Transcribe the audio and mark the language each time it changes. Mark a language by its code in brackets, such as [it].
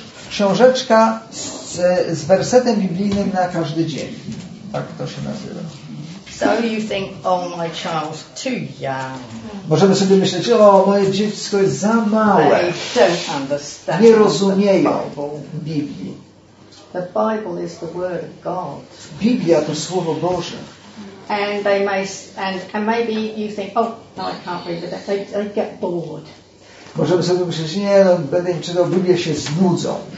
[pl] Książeczka z wersetem biblijnym na każdy dzień. Tak to się nazywa. [en] So you think, oh, my child's too young. [pl] Możemy sobie myśleć, o, moje dziecko jest za małe. [en] They don't understand. [pl] Nie rozumieją Biblii. [en] The Bible is the word of God. [pl] Biblia to Słowo Boże. [en] And they may, and maybe you think, oh, no, I can't read it. They get bored. [pl] Możemy sobie myśleć, nie, no, będę im czytał, Biblię się znudzą.